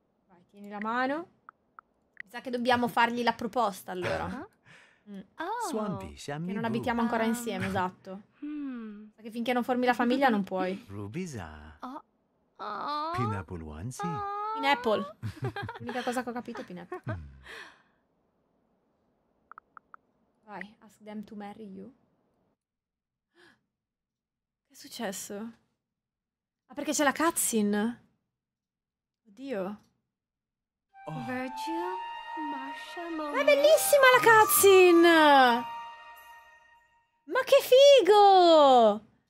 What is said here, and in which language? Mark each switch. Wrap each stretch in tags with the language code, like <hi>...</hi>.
<it>Vai, tieni la mano. Mi sa che dobbiamo fargli la proposta allora. Che non abitiamo ancora insieme, esatto. Perché finché non formi la famiglia non puoi. Rubisa.</it> <en>Pineapple onesie. Pineapple.</en> <it>L'unica cosa che ho capito è pineapple. Vai,</it> <en>ask them to marry you.</en> <it>Che è successo? Ah, perché c'è la cutscene. Oddio. Virgil, Marsha, Maurice. Ma è bellissima la cutscene! Ma che figo!</it>